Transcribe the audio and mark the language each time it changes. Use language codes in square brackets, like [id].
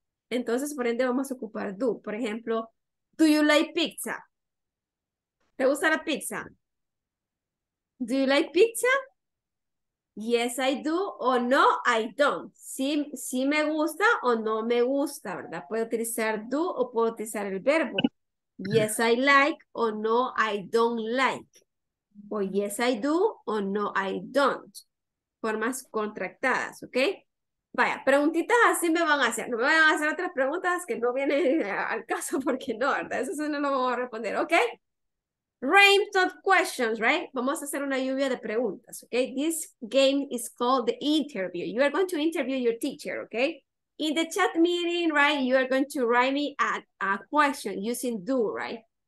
[es] Entonces, por ende, vamos a ocupar do. Por ejemplo, [en] do you like pizza? [es] ¿Te gusta la pizza? [en] Do you like pizza? Yes, I do, o no, I don't. [es] Sí me gusta o no me gusta, ¿verdad? Puedo utilizar do o puedo utilizar el verbo. [en] Yes, I like, o no, I don't like. O yes, I do, o no, I don't. [es] Formas contractadas, ¿ok? Vaya, preguntitas así me van a hacer. No me van a hacer otras preguntas que no vienen al caso, porque no, ¿verdad? Eso sí no lo vamos a responder, ¿ok? [en] Rains of questions, right? [es] Vamos a hacer una lluvia de preguntas, okay? [en] This game is called the interview. You are going to interview your teacher, okay? In the chat meeting, right, you are going to write me a question using do, right?